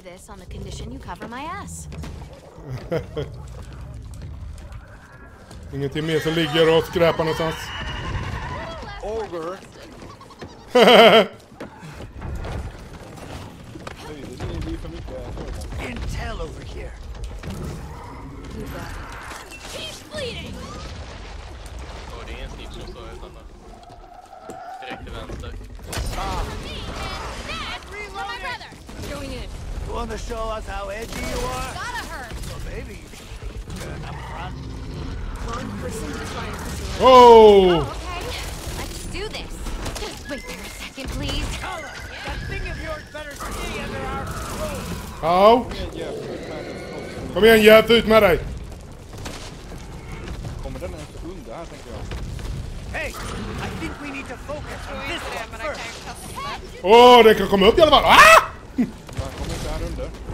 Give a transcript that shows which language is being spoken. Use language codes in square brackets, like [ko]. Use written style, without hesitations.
[en] On the condition you cover my ass. [sv] Ingenting mer som ligger och skräpar någonstans. [en] Ogre. Intel over here. He's bleeding. [sv] Oh, det är en snitch som står utanför. Direkt till vänster. [en] Me and Dad, reloading. Where's my brother? Going in. You wanna show us how edgy you are? Gotta hurt! Well, maybe you should be up front. One person to try and pursue. Oh! Okay, let's do this. Just wait there a second, please. Kala, that thing of yours better stay under our control. [sv] How? Kom igen, Jeff, ut med dig! Kommer den ens undan? här tänker jag. [en] Hey, I think we need to focus on this one first. [sv] Åh, oh, det kan komma upp i alla fall. Ah! Jag kommer inte här under.